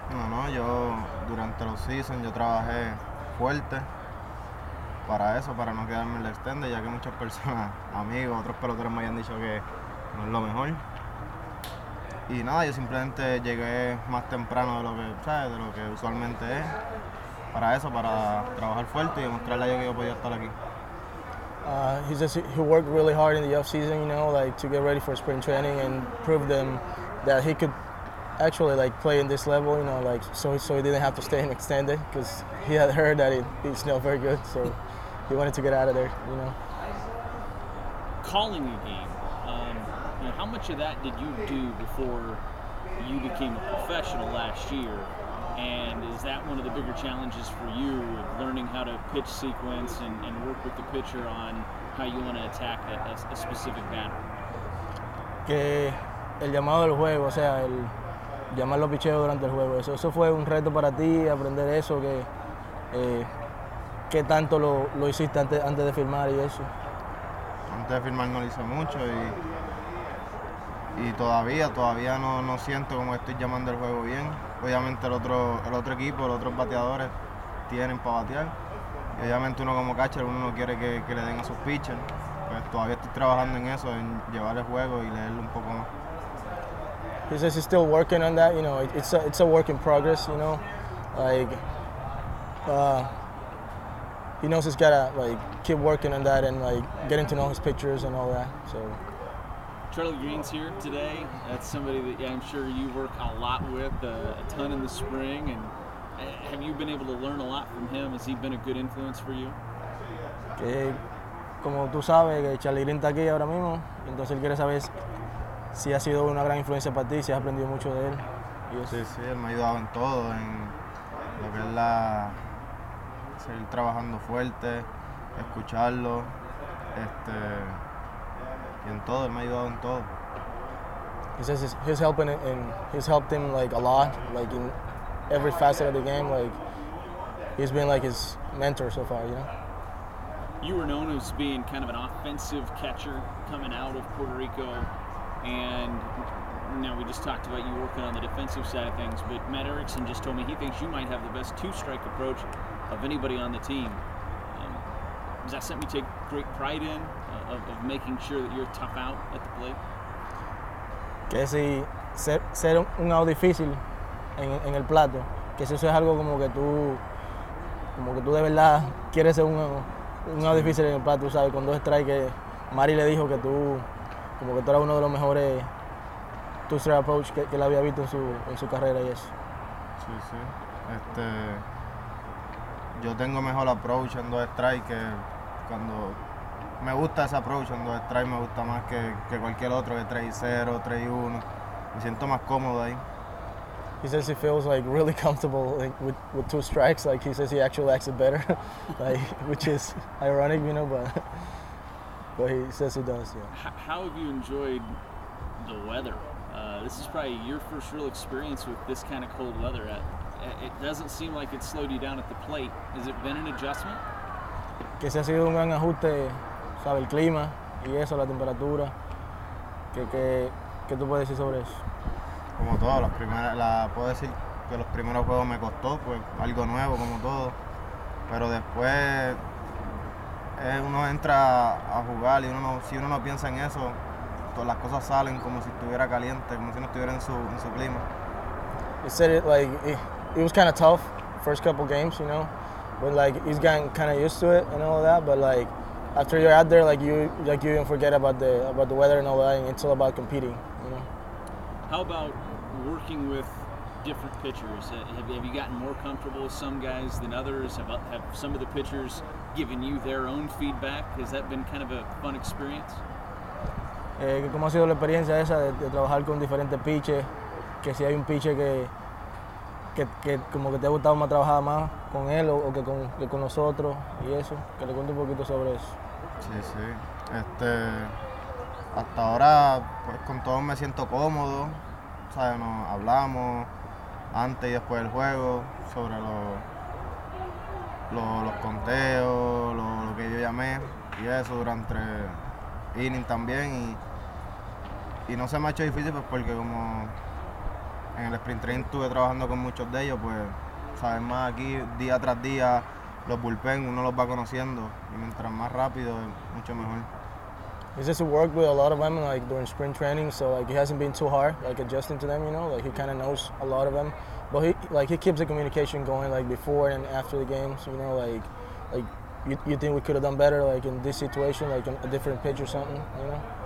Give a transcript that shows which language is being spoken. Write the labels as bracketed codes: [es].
[es] No, yo durante los seasons yo trabajé fuerte para eso, para no quedarme en el extender, ya que muchas personas, amigos, otros peloteros me habían dicho que no es lo mejor. Y nada, yo simplemente llegué más temprano de lo que, ¿sabes? De lo que usualmente es. Para eso, para trabajar fuerte y demostrarle a ellos que yo podía estar aquí. [en] He worked really hard in the offseason, you know, like to get ready for spring training and prove them that he could actually like play in this level, you know, like so he didn't have to stay and extend it because he had heard that he's not very good, so he wanted to get out of there, you know. Calling a game, how much of that did you do before you became a professional last year? And is that one of the bigger challenges for you, learning how to pitch sequence and work with the pitcher on how you want to attack a specific batter? [es] Que el llamado del juego, o sea, el llamar los picheos durante el juego, eso fue un reto para ti, aprender eso, que tanto lo hiciste antes de firmar y eso. Antes de firmar no lo hice mucho y todavía no siento como estoy llamando el juego bien. Obviamente el otro equipo, los otros bateadores tienen para batear. Y obviamente uno como catcher, uno no quiere que le den a sus pitchers. Pues todavía estoy trabajando en eso, en llevar el juego y leerlo un poco más. [en] He says he's still working on that, you know, it's a work in progress, you know. Like, he knows he's gotta like keep working on that and like getting to know his pitchers and all that, so. Charlie Green's here today. That's somebody that, yeah, I'm sure you work a lot with, a ton in the spring. And have you been able to learn a lot from him? Has he been a good influence for you? [es] Que, como tú sabes, que Charlie Green está aquí ahora mismo. Entonces él quiere saber si ha sido una gran influencia para ti, si has aprendido mucho de él. Sí, sí, él me ha ayudado en todo, en lo que es seguir trabajando fuerte, escucharlo, y en todo, él me ha ayudado en todo. [en] He says he's helping and he's helped him like a lot, like in every facet of the game. Like he's been like his mentor so far, you know. You were known as being kind of an offensive catcher coming out of Puerto Rico. And now we just talked about you working on the defensive side of things, but Matt Erickson just told me he thinks you might have the best two-strike approach of anybody on the team. Is that something you take great pride in, of making sure that you're tough out at the plate? [es] Que si ser un out difícil en el plato, que si eso es algo como que tú de verdad quieres ser un out difícil en el plato, ¿sabes? Con dos strikes, Mari le dijo que tú como que tú eras uno de los mejores [en] two-strike approach [es] que él había visto en su carrera y eso. Sí, sí. Yo tengo mejor approach en dos strikes que cuando... Me gusta ese approach en dos strikes, me gusta más que cualquier otro, que 3-0, 3-1. Me siento más cómodo ahí. [en] He says he feels like really comfortable like, with two strikes. Like he says he actually acts it better, like, which is ironic, you know, but he says he does, yeah. How have you enjoyed the weather? This is probably your first real experience with this kind of cold weather. It doesn't seem like it slowed you down at the plate. Has it been an adjustment? [es] Que se ha sido un gran ajuste, sabe, el clima y eso, la temperatura. ¿Qué tú puedes decir sobre eso? Como todo, puedo decir que los primeros juegos me costó, pues algo nuevo como todo. Pero después uno entra a jugar y si uno no piensa en eso, todas las cosas salen como si estuviera caliente, como si no estuviera en su clima. [en] You said it like it was kind of tough first couple games, you know, but like he's gotten kind of used to it and all of that. But like after you're out there, like you even forget about the weather and all that. And it's all about competing, you know. How about working with different pitchers? Have you gotten more comfortable with some guys than others? Have some of the pitchers given you their own feedback? Has that been kind of a fun experience? [es] ¿Cómo ha sido la experiencia esa de trabajar con diferentes pitchers? Que si hay un pitcher que como que te ha gustado más trabajar más con él o que con nosotros y eso, que le cuente un poquito sobre eso. Sí, sí. Hasta ahora pues con todos me siento cómodo. O sea, nos hablamos antes y después del juego sobre los conteos, lo que yo llamé y eso durante inning también y no se me ha hecho difícil pues porque como en el sprint training estuve trabajando con muchos de ellos, pues, sabes más aquí, día tras día, los bullpen, uno los va conociendo. Y mientras más rápido, mucho mejor. [en] He says he worked with a lot of them, like, during sprint training, so, like, he hasn't been too hard, like, adjusting to them, you know? Like, he kind of knows a lot of them. But he keeps the communication going, like, before and after the games, you know? Like, you think we could have done better, like in this situation, like in a different pitch or something, you know?